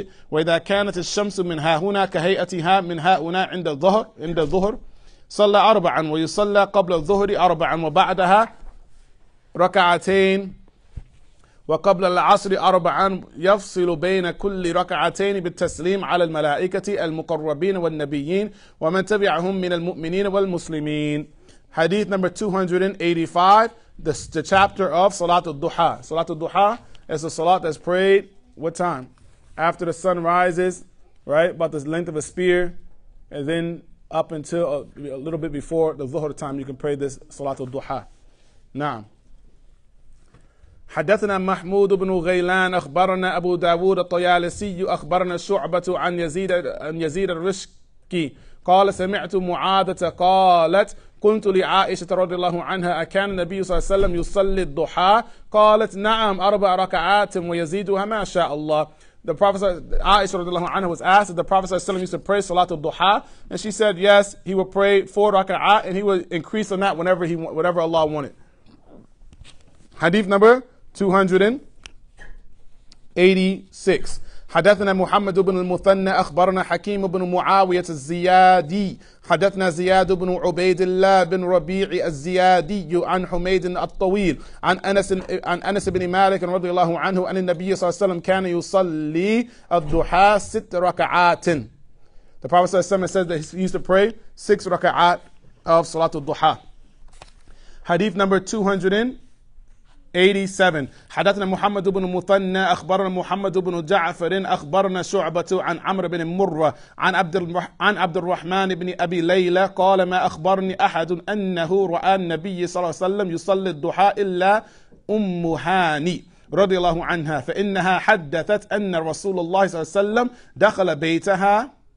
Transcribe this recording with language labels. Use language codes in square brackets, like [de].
[ar] وإذا كانت الشمس من هاهنا كهيئتها من هاهنا عند الظهر صلى أربعا ويصلى قبل الظهر أربعا وبعدها ركعتين وقبل العصر أربعا يفصل بين كل ركعتين بالتسليم على الملائكة المقربين والنبيين ومن تبعهم من المؤمنين والمسلمين. [en] Hadith number 285. The chapter of Salat al-Duha. Salat al-Duha is a salat that's prayed, what time? After the sun rises, right? About the length of a spear. And then up until a little bit before the Dhuhr time, you can pray this Salat al-Duha. [ar] Naam. حدثنا محمود بن غيلان أخبرنا أبو داود الطيالسي أخبرنا شعبة عن يزيد الرشكي قال سمعت معادة قالت قلت لعائشة رضي الله عنها أكان النبي صلى الله عليه وسلم يصلي الضحى قالت نعم أربع ركعات ويزيدها ما شاء الله. [en] The Prophet Aisha رضي الله عنها was asked if the Prophet صلى الله عليه وسلم used to pray صلاة الضحى, and she said yes, he would pray four ركعات and he would increase on that whatever Allah wanted. Hadith number 286. [ar] حدثنا محمد بن المثنى أخبرنا حكيم بن معاوية الزيادي حدثنا زياد بن عبيد الله بن ربيع الزيادي عن حميد الطويل عن أنس بن مالك رضي الله عنه أن النبي صلى الله عليه وسلم كان يصلي الضحى ست ركعات. [en] The Prophet صلى الله عليه وسلم says that he used to pray six ركعات of صلاة الضحى. Hadith number 287. [ar] حدثنا محمد بن مثنى أخبرنا محمد بن جعفر أخبرنا شعبة عن عمرو بن مرة عن عبد الرحمن بن أبي ليلى قال ما أخبرني أحد أنه رأى النبي صلى الله عليه وسلم يصلي الضحى إلا أم هاني رضي الله عنها فإنها حدثت أن رسول الله صلى الله عليه وسلم دخل بيتها